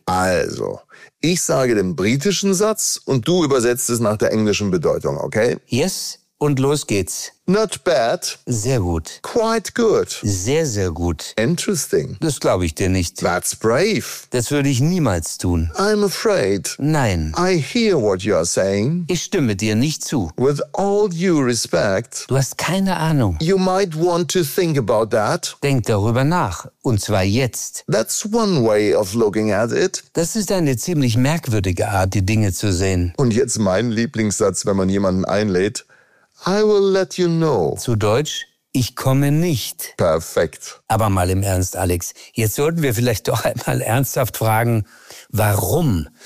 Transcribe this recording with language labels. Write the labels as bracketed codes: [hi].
[de] Also, ich sage den britischen Satz und du übersetzt es nach der englischen Bedeutung, okay? [en] Yes, [de] und los geht's. [en] Not bad. [de] Sehr gut. [en] Quite good. [de] Sehr, sehr gut. [en] Interesting. [de] Das glaube ich dir nicht. [en] That's brave. [de] Das würde ich niemals tun. [en] I'm afraid. [de] Nein. [en] I hear what you are saying. [de] Ich stimme dir nicht zu. [en] With all due respect. [de] Du hast keine Ahnung. [en] You might want to think about that. [de] Denk darüber nach. Und zwar jetzt. [en] That's one way of looking at it. [de] Das ist eine ziemlich merkwürdige Art, die Dinge zu sehen. Und jetzt mein Lieblingssatz, wenn man jemanden einlädt. [en] I will let you know. [de] Zu Deutsch, ich komme nicht. Perfekt. Aber mal im Ernst, Alex, jetzt sollten wir vielleicht doch einmal ernsthaft fragen, warum?